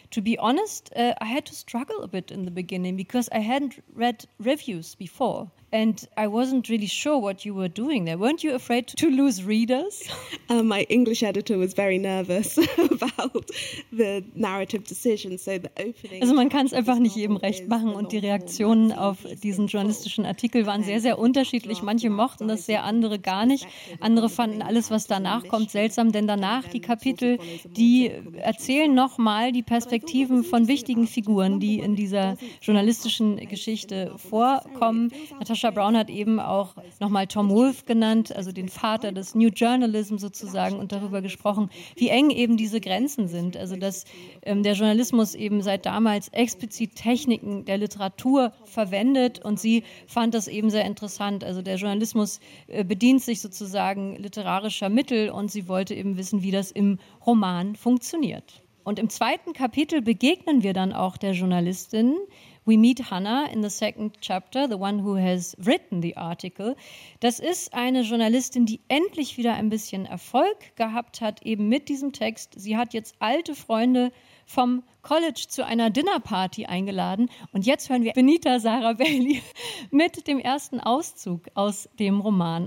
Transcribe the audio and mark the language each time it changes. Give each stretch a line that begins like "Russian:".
English: To be honest, I had to struggle a bit in the beginning because I hadn't read reviews before and I wasn't really sure what you were doing there. Weren't you afraid to lose readers? My English editor was very nervous about the narrative decision. So the opening.
German: Also man kann es einfach nicht jedem recht machen und die Reaktionen auf diesen journalistischen Artikel waren sehr, sehr unterschiedlich. Manche mochten das sehr, andere gar nicht. Andere fanden alles, was danach kommt, seltsam, denn danach die Kapitel, die erzählen nochmal die Perspektiven von wichtigen Figuren, die in dieser journalistischen Geschichte vorkommen. Natasha Brown hat eben auch nochmal Tom Wolfe genannt, also den Vater des New Journalism sozusagen, und darüber gesprochen, wie eng eben diese Grenzen sind. Also dass der Journalismus eben seit damals explizit Techniken der Literatur verwendet und sie fand das eben sehr interessant. Also der Journalismus bedient sich sozusagen literarischer Mittel und sie wollte eben wissen, wie das im Roman funktioniert. Und im zweiten Kapitel begegnen wir dann auch der Journalistin.
English: We meet Hannah in the second chapter, the one who has written the article.
German: Das ist eine Journalistin, die endlich wieder ein bisschen Erfolg gehabt hat, eben mit diesem Text. Sie hat jetzt alte Freunde vom College zu einer Dinnerparty eingeladen. Und jetzt hören wir Benita Sarah Bailey mit dem ersten Auszug aus dem Roman.